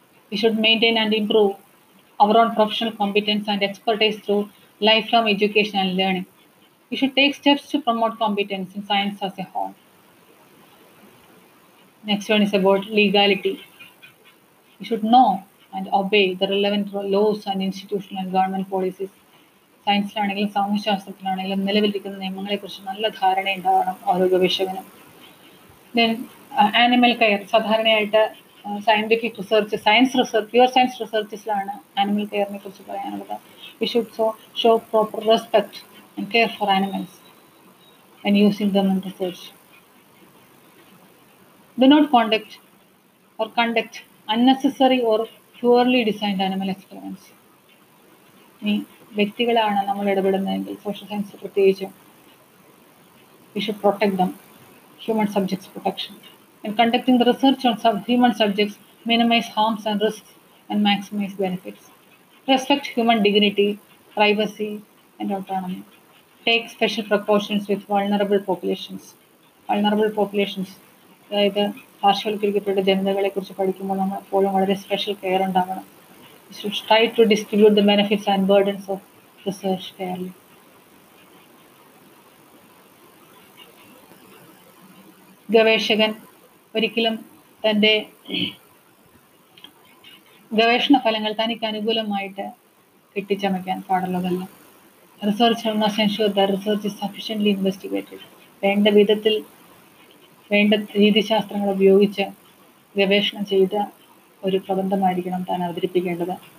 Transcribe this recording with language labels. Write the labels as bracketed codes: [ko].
[en] We should maintain and improve our own professional competence and expertise through lifelong education and learning. We should take steps to promote competence in science as a whole. Next one is about legality. We should know and obey the relevant laws and institutional and government policies. [ml] സയൻസിലാണെങ്കിലും സാമൂഹ്യശാസ്ത്രത്തിലാണെങ്കിലും നിലവിലിരിക്കുന്ന നിയമങ്ങളെക്കുറിച്ച് നല്ല ധാരണയുണ്ടാവണം ഓരോ ഗവേഷകനും. [en] Then animal care. [ml] സാധാരണയായിട്ട് scientific research, science research, pure science റിസർച്ചസിലാണ് animal കെയറിനെ കുറിച്ച് പറയാനുള്ളത്. [en] We should so show proper respect and care for animals and using them in research. Do not conduct or conduct unnecessary or purely designed animal experiments. [ml] വ്യക്തികളാണ് നമ്മൾ ഇടപെടുന്നതെങ്കിൽ, social science പ്രത്യേകിച്ചും, [en] We should protect them. Human subjects protection and conducting the research on human subjects minimize harms and risk and maximize benefits. Respect human dignity, privacy and autonomy. Take special precautions with vulnerable populations. [ml] Vulnerable populations, അതായത് പാർശ്വവൽക്കരിക്കപ്പെട്ട ജനതകളെക്കുറിച്ച് പഠിക്കുമ്പോൾ നമ്മൾ എപ്പോഴും വളരെ special care ഉണ്ടാകണം. [en] We should try to distribute the benefits and burdens of research fairly. [ml] ഗവേഷകൻ ഒരിക്കലും തൻ്റെ ഗവേഷണ ഫലങ്ങൾ തനിക്ക് അനുകൂലമായിട്ട് കെട്ടിച്ചമയ്ക്കാൻ പാടുള്ളതല്ല. [en] Research must ensure the research is sufficiently investigated. [ml] വേണ്ട വിധത്തിൽ വേണ്ട രീതിശാസ്ത്രങ്ങൾ ഉപയോഗിച്ച് ഗവേഷണം ചെയ്ത ഒരു പ്രബന്ധമായിരിക്കണം താൻ അവതരിപ്പിക്കേണ്ടത്.